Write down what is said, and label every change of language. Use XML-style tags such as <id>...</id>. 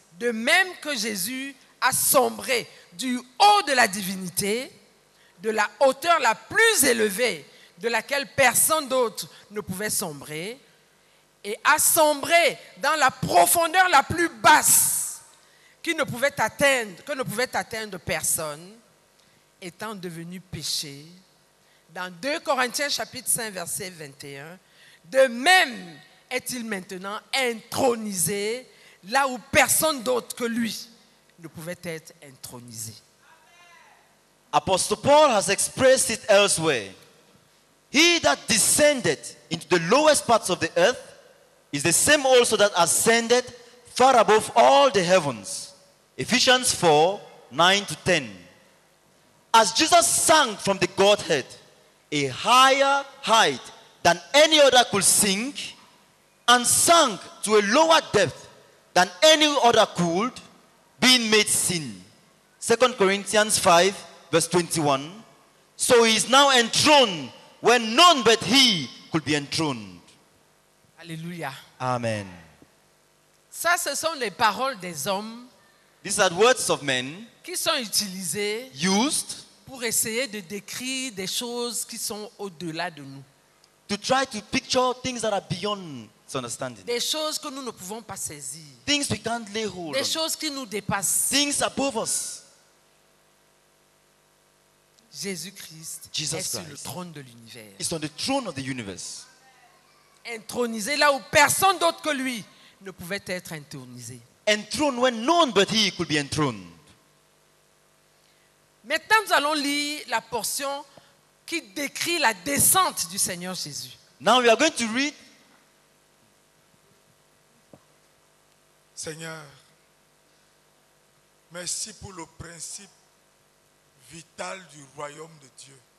<fr>De même que Jésus a sombré du haut de la divinité, de la hauteur la plus élevée de laquelle personne d'autre ne pouvait sombrer, et a sombré dans la profondeur la plus basse qu'il ne pouvait atteindre, que ne pouvait atteindre personne, étant devenu péché. Dans 2 Corinthiens chapitre 5, verset 21, de même est-il maintenant intronisé là où personne d'autre que lui ne pouvait être intronisé.</fr> <en>Apostle Paul has expressed it elsewhere. He that descended into the lowest parts of the earth is the same also that ascended far above all the heavens. Ephesians 4, 9 to 10. As Jesus sank from the Godhead, a higher height than any other could sink, and sank to a lower depth than any other could, being made sin. 2 Corinthians 5, verse 21. So he is now enthroned where none but he could be enthroned. Alléluia. Amen.</en> <fr>Ça, ce sont les paroles des hommes.</fr> <en>These are words of men.</en> <fr>Qui sont utilisées.</fr> <en>Used.</en> <fr>Pour essayer de décrire des choses qui sont au-delà de nous.</fr> <en>To try to picture things that are beyond understanding.</en> <fr>Des choses que nous ne pouvons pas saisir.</fr> <en>Things we can't lay hold</en> <fr>des</fr> <en>on.</en> <fr>Choses qui nous dépassent.</fr> <en>Things above us.</en> <fr>Jésus-Christ</fr> <en>Jesus</en> <fr>est</fr> <en>Christ</en> <fr>sur le trône de l'univers.</fr> <en>He's on the throne of the universe.</en> <fr>Intronisé là où personne d'autre que lui ne pouvait être intronisé.</fr> <en>Enthroned where none but he could be enthroned.</en> <fr>Maintenant, nous allons lire la portion qui décrit la descente du Seigneur Jésus.</fr> <en>Now we are going to read.</en> <fr>Seigneur, merci pour le principe vital du royaume de Dieu.</fr>